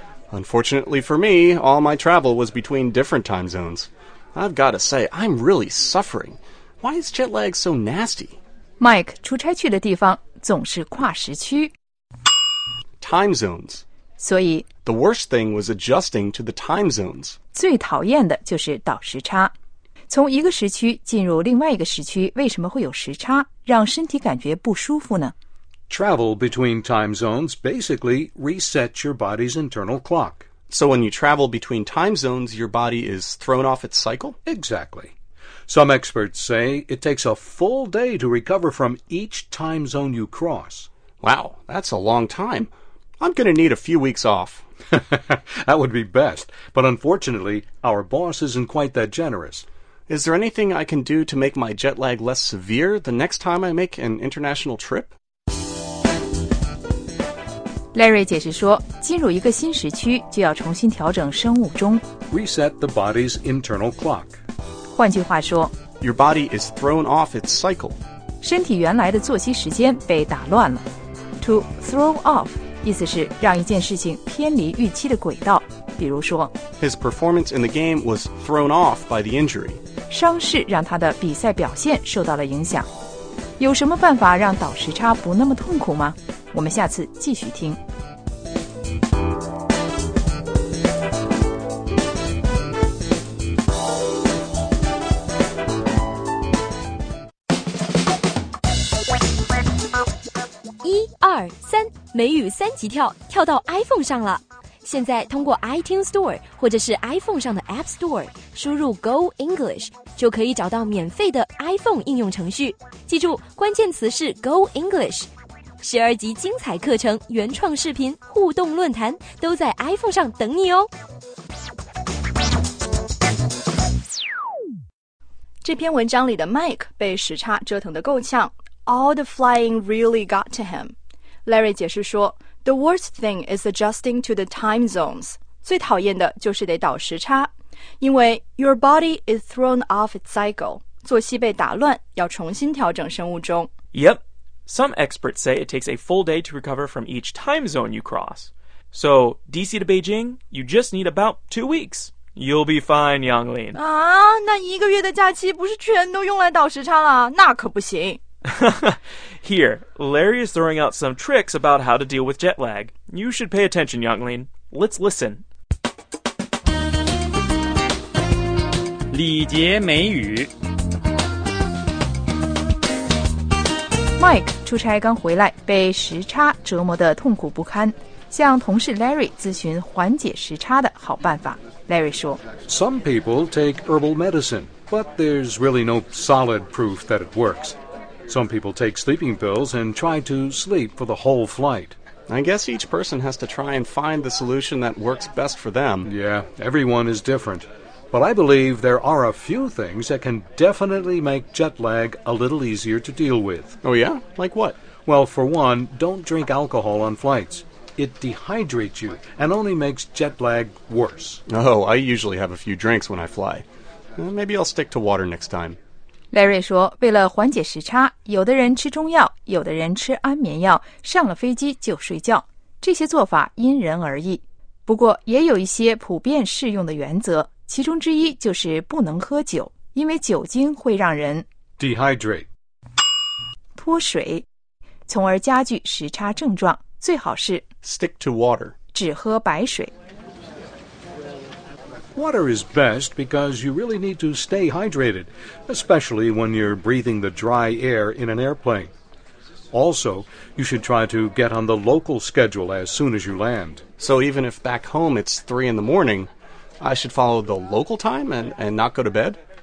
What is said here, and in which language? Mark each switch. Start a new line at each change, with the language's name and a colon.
English: Unfortunately for me, all my travel was between different time zones. I've got to say, I'm really suffering. Why is jet lag so nasty?
Chinese: Mike, 出差去的地方总是跨时区
English: Time zones
Chinese: 所以
English: The worst thing was adjusting to the time zones
Chinese: 最讨厌的就是倒时差从一个时区进入另外一个时区为什么会有时差让身体感觉不舒服呢
English: Travel between time zones basically resets your body's internal clock So when you travel between time zones your body is thrown off its cycle? Exactly Some experts say it takes a full day to recover from each time zone you cross. Wow, that's a long time. I'm going to need a few weeks off. That would be best, but unfortunately, our boss isn't quite that generous. Is there anything I can do to make my jet lag less severe the next time I make an international trip?
Chinese: Larry 解释说，进入一个新时区就要重新调整生物钟。
English: Reset the body's internal clock.
Chinese: 换句话说，
English: Your body is thrown off its cycle.
Chinese: 身体原来的作息时间被打乱了。
English: To throw off.
Chinese: 意思是让一件事情偏离预期的轨道，比如说
English: His performance in the game was thrown off by the injury.
Chinese: 伤势让他的比赛表现受到了影响。有什么办法让倒时差不那么痛苦吗？我们下次继续听。二三，美语三级跳，跳到 iPhone 上了。现在通过 iTunes Store 或者是 iPhone 上的 App Store 输入 Go English， 就可以找到免费的 iPhone 应用程序。记住，关键词是 Go English。十二级精彩课程、原创视频、互动论坛都在 iPhone 上等你哦。这篇文章里的 Mike 被时差折腾得够呛 ，
English: All the flying really got to him。 Larry
Chinese: 解释说
English: The worst thing is adjusting to the time zones.
Chinese: 最讨厌的就是得倒时差。因为
English: your body is thrown off its cycle.
Chinese: 作息被打乱，要重新调整生物钟。
English: Yep. Some experts say it takes a full day to recover from each time zone you cross. So, DC to Beijing, you just need about 2 weeks. You'll be fine, Yanglin.
Chinese: 啊，那一个月的假期不是全都用来倒时差了？那可不行。
English: Here, Larry is throwing out some tricks about how to deal with jet lag. You should pay attention, Yanglin. Let's listen.
Chinese: 礼节美语 Mike 出差刚回来，被时差折磨得痛苦不堪，向同事 Larry 咨询缓解时差的好办法。Larry 说
English: Some people take herbal medicine, but there's really no solid proof that it works. Some people take sleeping pills and try to sleep for the whole flight. I guess each person has to try and find the solution that works best for them. Yeah, everyone is different. But I believe there are a few things that can definitely make jet lag a little easier to deal with. Oh yeah? Like what? Well, for one, don't drink alcohol on flights. It dehydrates you and only makes jet lag worse. Oh, I usually have a few drinks when I fly. Maybe I'll stick to water next time.
Chinese: Larry 说，为了缓解时差，有的人吃中药，有的人吃安眠药，上了飞机就睡觉。这些做法因人而异。不过，也有一些普遍适用的原则，其中之一就是不能喝酒，因为酒精会让人
English: dehydrate
Chinese: 脱水，从而加剧时差症状。最好是
English: stick to water
Chinese: 只喝白水。
English: Water is best because you really need to stay hydrated, especially when you're breathing the dry air in an airplane. Also, you should try to get on the local schedule as soon as you land. So even if back home it's 3 a.m, I should follow the local time and not go to bed?